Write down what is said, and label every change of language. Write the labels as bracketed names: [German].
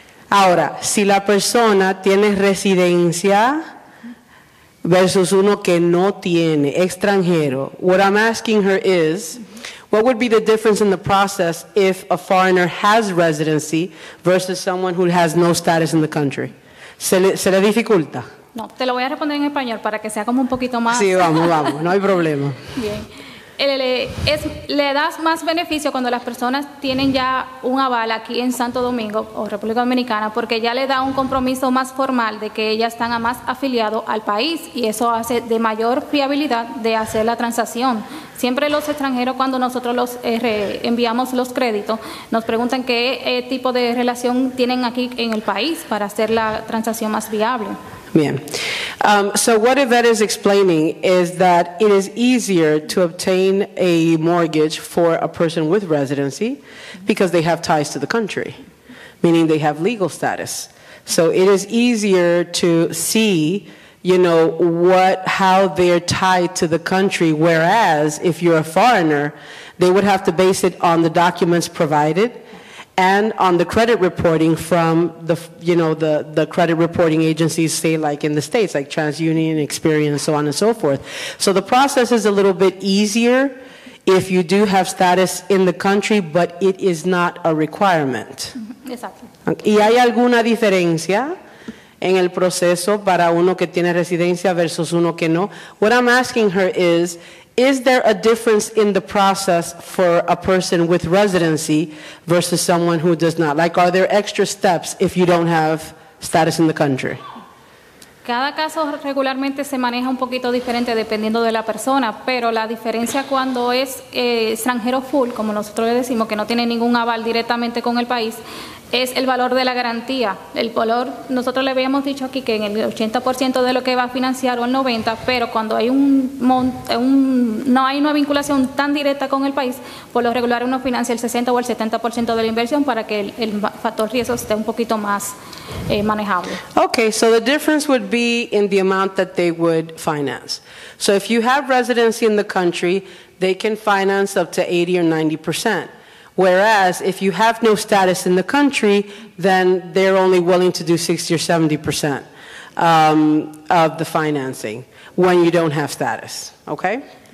[Spanish] Ahora, si la persona tiene residencia versus uno que no tiene, extranjero, [English] what I'm asking her is, what would be the difference in the process if a foreigner has residency versus someone who has no status in the country? [Spanish] ¿Se le dificulta? No, te lo voy a responder en español para que sea como un poquito más. Sí, vamos, no hay problema. Bien. Le das más beneficio cuando las personas tienen ya un aval aquí en Santo Domingo o República Dominicana, porque ya le da un compromiso más formal de que ellas están a más afiliado al país, y eso hace de mayor fiabilidad de hacer la transacción. Siempre los extranjeros, cuando nosotros los enviamos los créditos, nos preguntan qué tipo de relación tienen aquí en el país para hacer la transacción más viable. Bien. [English] So what Yvette is explaining is that it is easier to obtain a mortgage for a person with residency because they have ties to the country, meaning they have legal status. So it is easier to see, you know, how they're tied to the country, whereas if you're a foreigner, they would have to base it on the documents provided and on the credit reporting from the, you know, the credit reporting agencies, say like in the States, like TransUnion, Experian, so on and so forth. So the process is a little bit easier if you do have status in the country, but it is not a requirement. Exactly. [Spanish] ¿Y hay alguna diferencia en el proceso para uno que tiene residencia versus uno que no? [English] What I'm asking her is there a difference in the process for a person with residency versus someone who does not? Like, are there extra steps if you don't have status in the country? [Spanish] Cada caso regularmente se maneja un poquito diferente dependiendo de la persona, pero la diferencia cuando es extranjero full, como nosotros le decimos, que no tiene ningún aval directamente con el país, es el valor de la garantía. El valor, nosotros le habíamos dicho aquí que en el 80% de lo que va a financiar o el 90%, pero cuando hay no hay una vinculación tan directa con el país, por lo regular uno financia el 60% o el 70% de la inversión para que el factor riesgo esté un poquito más manejable. [English] Okay, so the difference would be in the amount that they would finance. So if you have residency in the country, they can finance up to 80 or 90%. Whereas if you have no status in the country, then they're only willing to do 60 or 70% of the financing when you don't have status, okay?